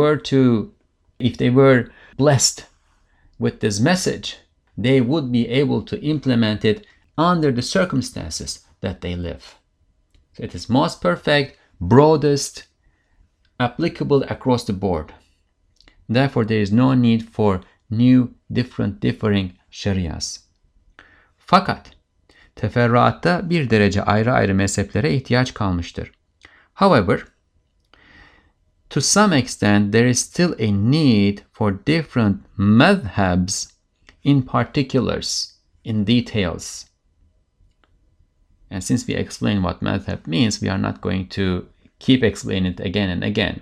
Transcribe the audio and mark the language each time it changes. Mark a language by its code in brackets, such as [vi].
[en] If they were blessed with this message, they would be able to implement it under the circumstances that they live. So it is most perfect, broadest, applicable across the board. Therefore, there is no need for new, different, differing sharias. [tr] Fakat teferruatta bir derece ayrı ayrı mezheplere ihtiyaç kalmıştır. [en] However, to some extent, there is still a need for different madhabs in particulars, in details. And since we explain what madhab means, we are not going to keep explaining it again and again.